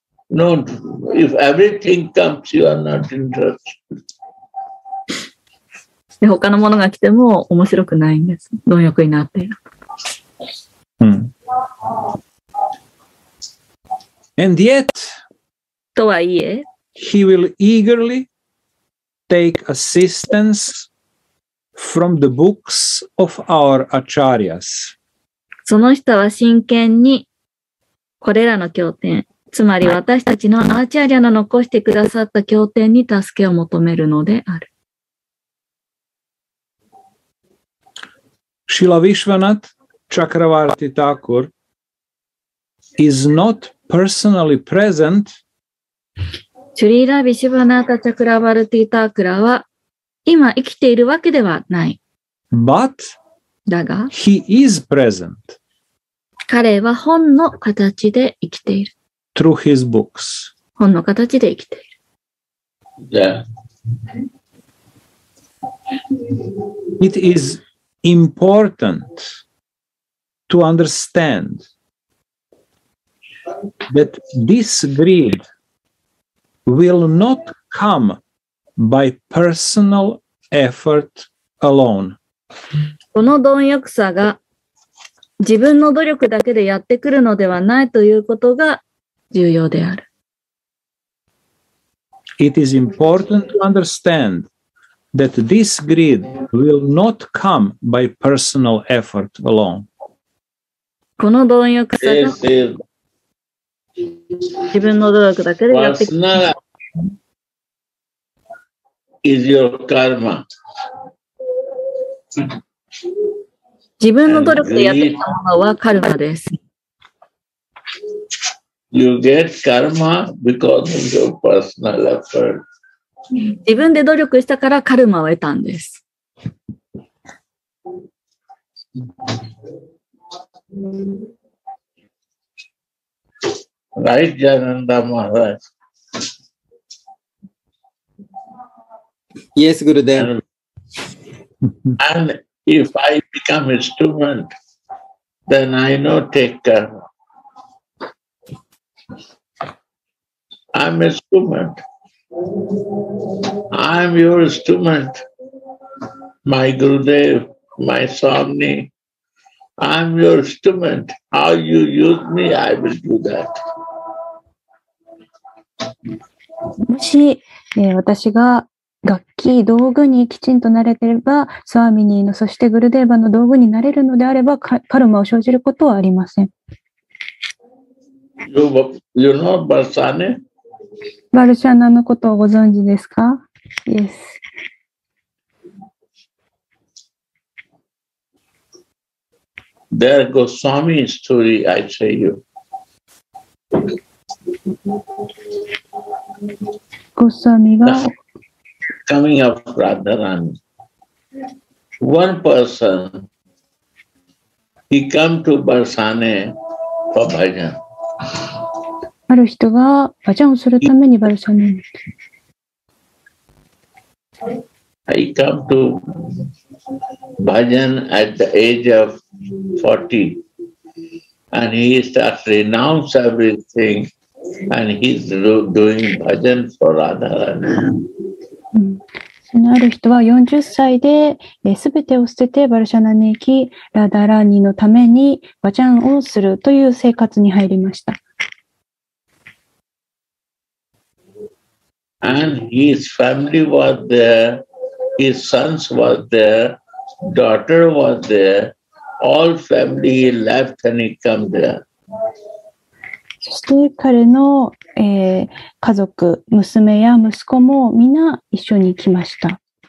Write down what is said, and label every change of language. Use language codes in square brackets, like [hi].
[en] No, if everything comes, you are not interested. [ja] で、他のものが来ても面白くないんです。貪欲になっている。 [en] And yet, [ja] とはいえ、 [en] he will eagerly take assistance from the books of our acharyas. [ja] その人は真剣にこれらの経典、つまり私たちのアーチャリアの残してくださった経典に助けを求めるのである。 [en] Śrīla Viśvanātha Cakravarti Thakur is not personally present. [ja] Śrīla Viśvanātha Cakravarti Thakura は今生きているわけではない。 [en] But [ja] だが、 [en] he is present. [ja] 彼は本の形で生きている。 [en] Through his books. [ja] 本の形で生きている。 [en] Yeah. It is important to understand that this greed will not come by personal effort alone. [ja] この貪欲さが自分の努力だけでやってくるのではないということが重要である。 [en] It is important to understand that this greed will not come by personal effort alone. [ja] この貪欲さが自分の努力だけでやってくる。 [en] Is your karma. [ja] 自分の努力でやってきたものはカルマです。 [en] You get karma because of your personal effort. [ja] 自分で努力したからカルマを得たんです。 [en] Right, Jananda Maharaj. Yes, Gurudev. And if I become a student, then I know take karma. I'm a student. I'm your student, my Gurudev, my Swami. I'm your student. How you use me, I will do that. [ja] もし、私が楽器道具にきちんと慣れていればスワミニーのそしてグルデーバの道具になれるのであればカルマを生じることはありません。 [en] You know バルシャネ？ [ja] バルシャナのことをご存知ですか？ [en] Yes. There goes Swami's story, I tell you. [ja] ゴスワミが [en] coming up Radharani. One person, he come to Barsane for bhajan. [ja] ある人がバジャンをするためにバルサネに来た。 [en] I come to bhajan at the age of 40 and he starts to renounce everythingAnd he's doing bhajan for Radharani. [ja] そのある人は40歳で全てを捨ててバルシャナに行き、ラダラニのためにバジャンをするという生活に入りました。 [en] And his family was there, his sons was there, daughter was there, all family he left and he come there. [ja] そして彼の、家族、娘や息子もみんな一緒に来ました。